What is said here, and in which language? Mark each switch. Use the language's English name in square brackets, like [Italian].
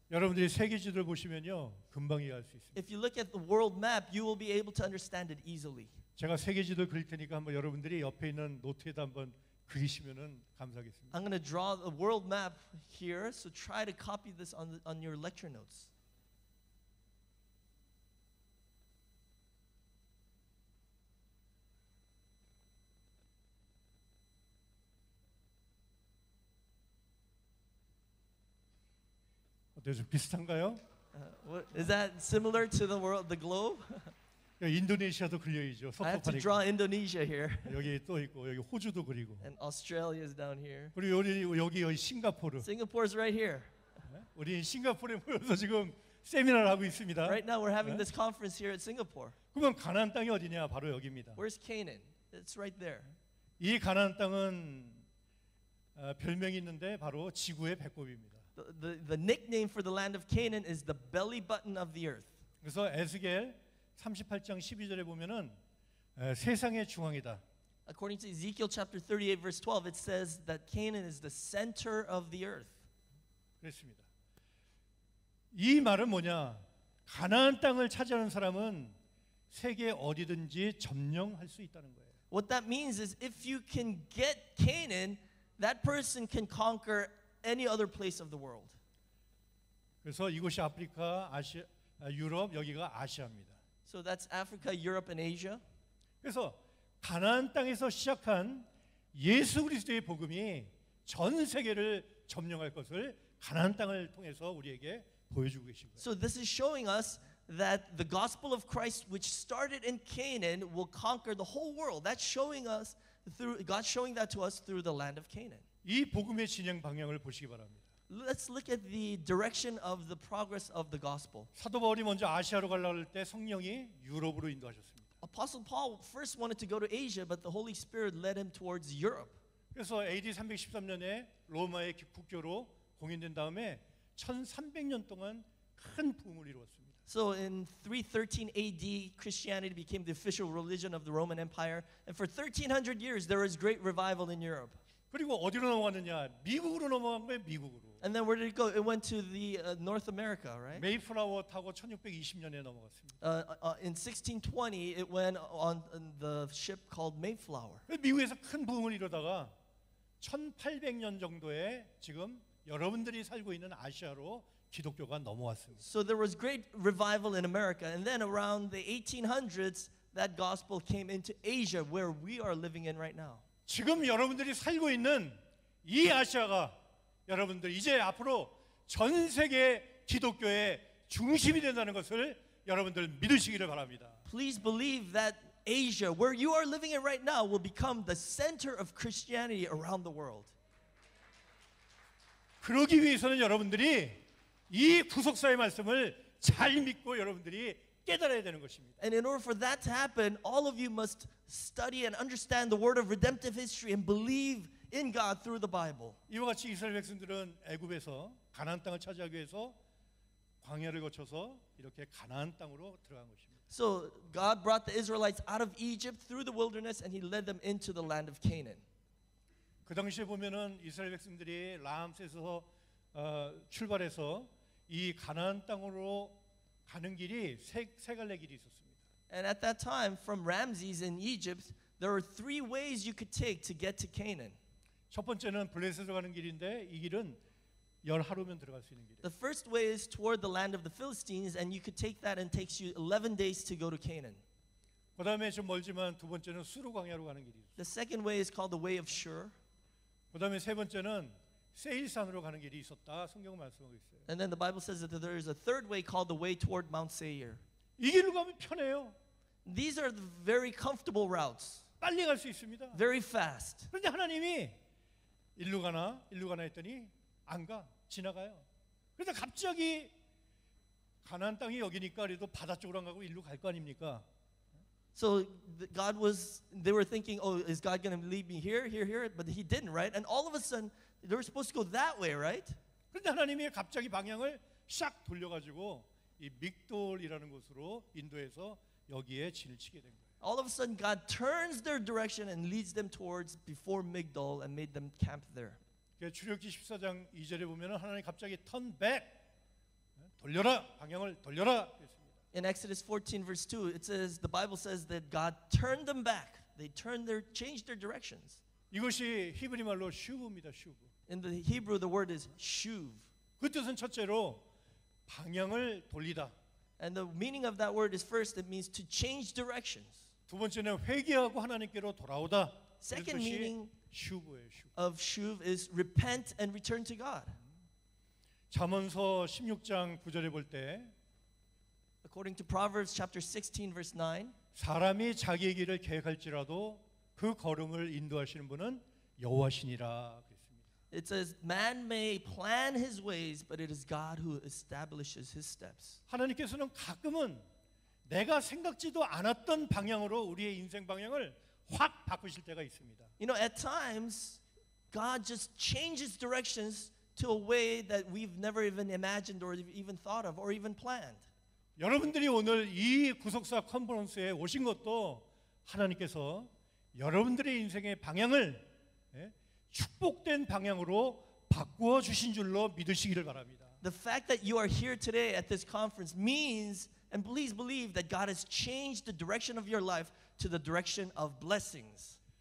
[Korean] 여러분들이 세계지도를 보시면요, 금방 이해할 수 있습니다. [English] If you look at the world map, you will be able to understand it easily. [Korean] 제가 세계지도 그릴 테니까 한번 여러분들이 옆에 있는 노트에다 한번 그리시면은 감사하겠습니다. [English] I'm going to draw the world map here, so try to copy this on your lecture notes. [Korean] 좀 비슷한가요? [English] Is that similar to the world, the globe? [Korean] 인도네시아도 그려야죠. [English] I have to draw Indonesia here. [Korean] 여기 또 있고 여기 호주도 그리고. [English] And Australia is down here. [Korean] 그리고 여기 싱가포르. [English] Singapore is right here. [Korean] 우리 싱가포르에 모여서 지금 세미나를 하고 있습니다. [English] Right now we're having this conference here at Singapore. [Korean] 그럼 가나안 땅이 어디냐? 바로 여기입니다. [English] Where's Canaan? It's right there. [Korean] 이 가나안 땅은 별명이 있는데 바로 지구의 배꼽입니다. [English] The nickname for the land of Canaan is the belly button of the earth. [Korean] 그래서 에스겔 38장 12절에 보면은 세상의 중앙이다. [English] According to Ezekiel chapter 38 verse 12, it says that Canaan is the center of the earth. [Korean] 그렇습니다. 이 말은 뭐냐? 가나안 땅을 차지하는 사람은 세계 어디든지 점령할 수 있다는 거예요. [English] What that means is if you can get Canaan, that person can conquer any other place of the world. [Korean] 그래서 이곳이 아프리카, 아시아, 유럽, 여기가 아시아입니다. [English] So that's Africa, Europe and Asia. [Korean] 그래서 가나안 땅에서 시작한 예수 그리스도의 복음이 전 세계를 점령할 것을 가나안 땅을 통해서 우리에게 보여주고 계신 거예요. [English] So this is showing us that the gospel of Christ which started in Canaan will conquer the whole world. That's showing us through God showing that to us through the land of Canaan. [Korean] 이 복음의 진행 방향을 보시기 바랍니다. [English] Let's look at the direction of the progress of the gospel. [Korean] 사도 바울이 먼저 아시아로 가려고 할 때 성령이 유럽으로 인도하셨습니다. [English] Apostle Paul first wanted to go to Asia, but the Holy Spirit led him towards Europe. [Korean] 그래서 AD 313년에 로마의 국교로 공인된 다음에 1300년 동안 큰 부흥을 이루었습니다. [English] So in 313 AD, Christianity became the official religion of the Roman Empire, and for 1300 years there was great revival in Europe. [Korean] 그리고 어디로 넘어갔느냐? 미국으로 넘어간 거예요, 미국으로. [English] And then where did it go? It went to the North America, right? [Korean] 메이플라워 타고 1620년에 넘어갔습니다. [English] In 1620, it went on the ship called Mayflower. [Korean] 미국에서 큰 부흥을 이루다가 1800년 정도에 지금 여러분들이 살고 있는 아시아로 기독교가 넘어왔습니다. [English] So there was great revival in America, and then around the 1800s, that gospel came into Asia, where we are living in right now. [Korean] 지금 여러분들이 살고 있는 이 아시아가 여러분들 이제 앞으로 전 세계 기독교의 중심이 된다는 것을 여러분들 믿으시기를 바랍니다. [English] Please believe that Asia, where you are living in right now, will become the center of Christianity around the world. [Korean] 그러기 위해서는 여러분들이 이 구속사의 말씀을 잘 믿고 여러분들이 깨달아야 되는 것입니다. [English] And in order for that to happen, all of you must study and understand the word of redemptive history and believe in God through the Bible. [Korean] 이와 같이 이스라엘 백성들은 애굽에서 가나안 땅을 차지하기 위해서 광야를 거쳐서 이렇게 가나안 땅으로 들어간 것입니다. [English] So God brought the Israelites out of Egypt through the wilderness and he led them into the land of Canaan. [Korean] 그 당시에 보면은 이스라엘 백성들이 라암세에서 출발해서 이 가나안 땅으로 가는 길이 세 갈래 길이 있었습니다. [English] And at that time from Ramses in Egypt there were three ways you could take to get to Canaan. [Korean] 첫 번째는 블레셋으로 가는 길인데 이 길은 열 하루면 들어갈 수 있는 길이에요. [English] The first way is toward the land of the Philistines and you could take that and takes you 11 days to go to Canaan. [Korean] 그다음에 좀 멀지만 두 번째는 수로 광야로 가는 길이 있어요. [English] The second way is called the way of Shur. [Korean] 그다음에 세 번째는 세일산으로 가는 길이 있었다. 성경은 말씀하고 있어요. [English] And then the Bible says that there is a third way called the way toward Mount Seir. [Korean] 이 길로 가면 편해요. [English] These are the very comfortable routes. [Korean] 빨리 갈 수 있습니다. [English] Very fast. [Korean] 그런데 하나님이 일로 가나? 일로 가나 했더니 안 가. 지나가요. 그래서 갑자기 가나안 땅이 여기니까 그래도 바다 쪽으로 안 가고 일로 갈 거 아닙니까? [English] So God was they were thinking, "Oh, is God going to lead me here? Here, here?" But he didn't, right? And all of a sudden they were supposed to go that way, right? [Korean] 그런데 하나님이 갑자기 방향을 싹 돌려 가지고 이 믹돌이라는 곳으로 인도해서 여기에 진을 치게 된 거예요. [English] All of a sudden God turns their direction and leads them towards before Migdol and made them camp there. [Korean] 출애굽기 14장 2절에 보면 하나님 갑자기 [English] turn back, [Korean] 돌려라 방향을 돌려라 그랬습니다. [English] In Exodus 14 verse 2 it says the Bible says that God turned them back. They turned their changed their directions. [Korean] 이것이 히브리 말로 슈브입니다. 슈브. [English] In the Hebrew the word is shuv. [Korean] 그 뜻은 첫째로 방향을 돌리다. [English] And the meaning of that word is first it means to change directions. [Korean] 두 번째는 회개하고 하나님께로 돌아오다. [English] Second meaning of shuv is repent and return to God. [Korean] 잠언서 16장 9절에 볼 때 [English] according to Proverbs chapter 16 verse 9 [Korean] 사람이 자기의 길을 계획할지라도 그 걸음을 인도하시는 분은 여호와시니라 그랬습니다. [English] It says man may plan his ways but it is God who establishes his steps. [Korean] 하나님께서는 가끔은 내가 생각지도 않았던 방향으로 우리의 인생 방향을 확 바꾸실 때가 있습니다. [English] You know, at times God just changes directions to a way that we've never even imagined or even thought of or even planned. [Korean] 여러분들이 오늘 이 구속사 컨퍼런스에 오신 것도 하나님께서 여러분들의 인생의 방향을 축복된 방향으로 바꾸어 주신 줄로 믿으시기를 바랍니다. [English] The fact that you are here today at this conference means and please believe that God has changed the direction of your life to the direction of blessings.